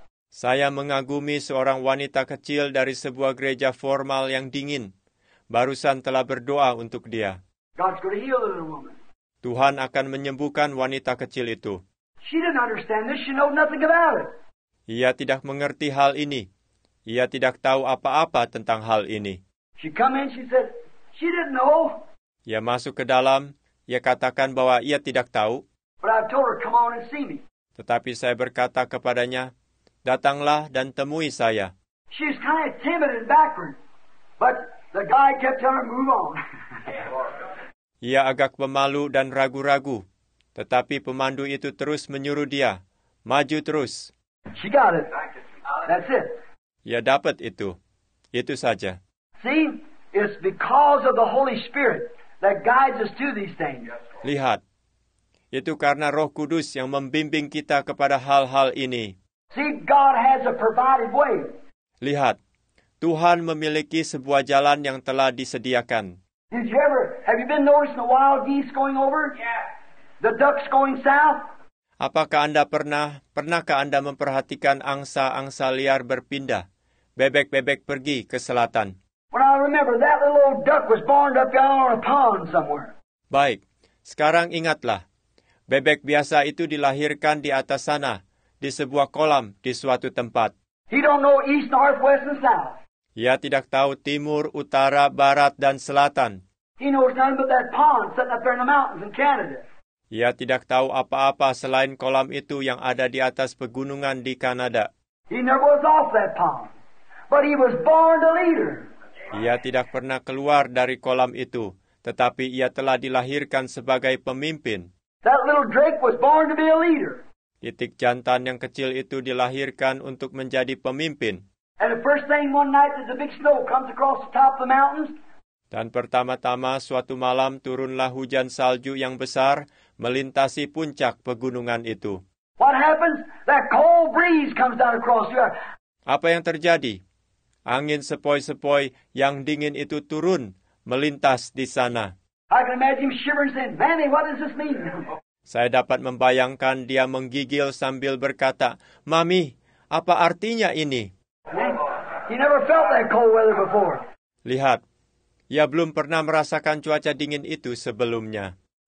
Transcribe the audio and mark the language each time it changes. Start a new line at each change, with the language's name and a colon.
Indonesian: Saya mengagumi seorang wanita kecil dari sebuah gereja formal yang dingin. Barusan telah berdoa untuk dia.
English: God's going to heal the little woman.
Indonesian: Tuhan akan menyembuhkan wanita kecil itu.
English: She didn't understand this. She knows nothing about it.
Indonesian: Ia tidak mengerti hal ini. Ia tidak tahu apa-apa tentang hal ini.
English: She come in, she said, she didn't know.
Indonesian: Ia masuk ke dalam. Ia katakan bahwa ia tidak tahu.
English: But I told her, come on and see me.
Indonesian: Tetapi saya berkata kepadanya, datanglah dan temui saya.
English: She was kind of timid and backward, but the guy kept telling her, move on.
Indonesian: Ia agak pemalu dan ragu-ragu, tetapi pemandu itu terus menyuruh dia, maju terus.
English: She got it. That's it.
Indonesian: Ia dapat itu. Itu saja.
English: See, it's because of the Holy Spirit that guides us to these things.
Indonesian: Lihat, itu karena Roh Kudus yang membimbing kita kepada hal-hal ini.
English: See, God has a provided way.
Indonesian: Lihat, Tuhan memiliki sebuah jalan yang telah disediakan.
English: Have you been noticing the wild geese going over? Yeah. The ducks going south?
Indonesian: Apakah Anda pernahkah Anda memperhatikan angsa-angsa liar berpindah? Bebek-bebek pergi ke selatan.
English: Well, I remember that little old duck was born up down on a pond somewhere.
Indonesian: Baik, sekarang ingatlah. Bebek biasa itu dilahirkan di atas sana, di sebuah kolam, di suatu tempat.
English: He don't know east, north, west, and south.
Indonesian: Ia tidak tahu timur, utara, barat, dan selatan.
English: He knows nothing but that pond sitting up there in the mountains in Canada.
Indonesian: Ia tidak tahu apa-apa selain kolam itu yang ada di atas pegunungan di Kanada.
English: He never was off that pond, but he was born a leader.
Indonesian: Ia tidak pernah keluar dari kolam itu, tetapi ia telah dilahirkan sebagai pemimpin.
English: That little drake was born to be a leader.
Indonesian: Itik jantan yang kecil itu dilahirkan untuk menjadi pemimpin.
English: And the first thing one night is a big snow comes across the top of the mountains.
Indonesian: Dan pertama-tama suatu malam turunlah hujan salju yang besar melintasi puncak pegunungan itu.
English: What happens? That cold breeze comes down across the earth.
Indonesian: Apa yang terjadi? Angin sepoi-sepoi yang dingin itu turun melintas di sana.
English: I can imagine shivering saying, Manny, what does this mean?
Indonesian: Saya dapat membayangkan dia menggigil sambil berkata, Mami, apa artinya ini?
English: He never felt that cold weather before.
Indonesian: Lihat, ia belum pernah merasakan cuaca dingin itu sebelumnya.